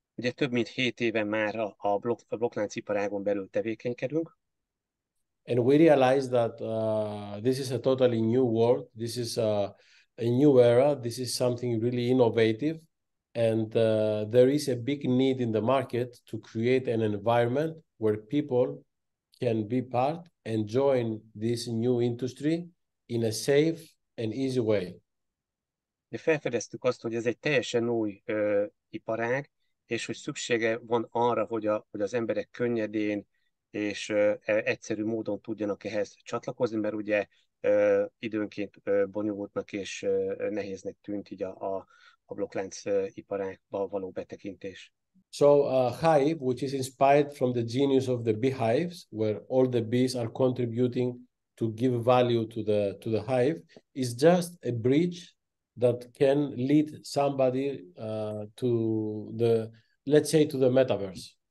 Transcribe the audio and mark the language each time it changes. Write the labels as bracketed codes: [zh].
[hu] Ugye több mint 7 éve már a blokklánc iparágon belül tevékenykedünk. [en] And we realized that this is a totally new world. This is a new era. This is something really innovative. And there is a big need in the market to create an environment where people can be part and join this new industry in a safe and easy way. [hu] De felfedeztük azt, hogy ez egy teljesen új iparág, és hogy szüksége van arra, hogy az emberek könnyedén és egyszerű módon tudjanak ehhez csatlakozni, mert ugye időnként bonyolultnak és nehéznek tűnt így a blokklánc iparágba való betekintés. [en] So Hive, which is inspired from the genius of the beehives, where all the bees are contributing to give value to the hive, is just a bridge that can lead somebody to the metaverse.